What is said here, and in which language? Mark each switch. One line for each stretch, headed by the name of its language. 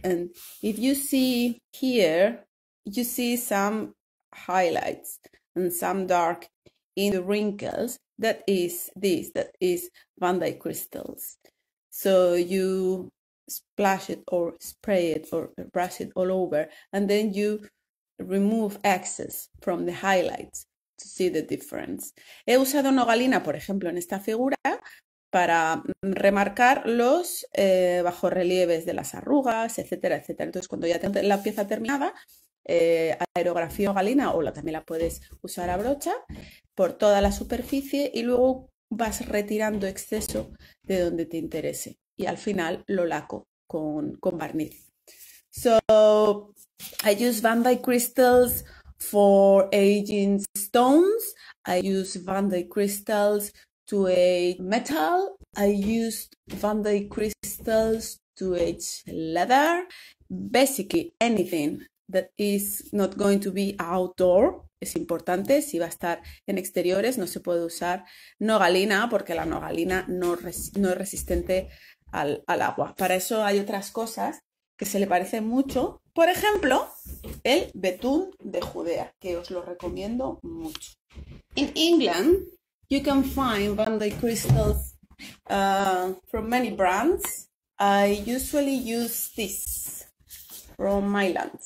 English: And if you see here, you see some highlights and some dark in the wrinkles. That is this, that is vandyke crystals. So you splash it or spray it or brush it all over, and then you remove excess from the highlights to see the difference.
Spanish: He usado nogalina, por ejemplo, en esta figura para remarcar los bajorrelieves de las arrugas, etcétera, etcétera. Entonces, cuando ya tengo la pieza terminada, aerografía nogalina o también la puedes usar a brocha por toda la superficie y luego vas retirando exceso de donde te interese y al final lo laco con barniz.
English: So I use vandyke crystals for aging stones. I use vandyke crystals to age metal. I use vandyke crystals to age leather. Basically, anything that is not going to be outdoor
Spanish: es importante. Si va a estar en exteriores, no se puede usar nogalina porque la nogalina no es resistente al agua. Para eso hay otras cosas que se le parece mucho, por ejemplo, el betún de Judea, que os lo recomiendo mucho.
English: In England, you can find vandyke crystals from many brands. I usually use this from my land.